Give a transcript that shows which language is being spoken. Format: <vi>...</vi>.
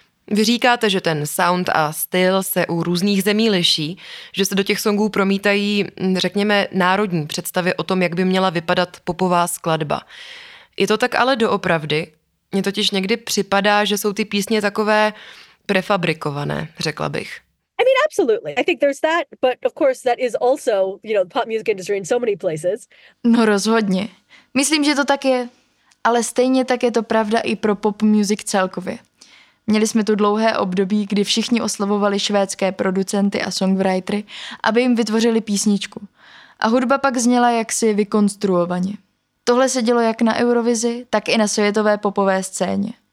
<cs>Vy říkáte, že ten sound a styl se u různých zemí liší, že se do těch songů promítají, řekněme, národní představy o tom, jak by měla vypadat popová skladba. Je to tak ale doopravdy? Mně totiž někdy připadá, že jsou ty písně takové prefabrikované, řekla bych.</cs> <en>I mean, absolutely. I think there's that, but of course that is also, you know, the pop music industry in so many places.</en> <cs>No rozhodně. Myslím, že to tak je. Ale stejně tak je to pravda i pro pop music celkově. Měli jsme tu dlouhé období, kdy všichni oslovovali švédské producenty a songwritery, aby jim vytvořili písničku. A hudba pak zněla jaksi vykonstruovaně. Tohle se dělo jak na Eurovizi, tak i na světové popové scéně.</cs>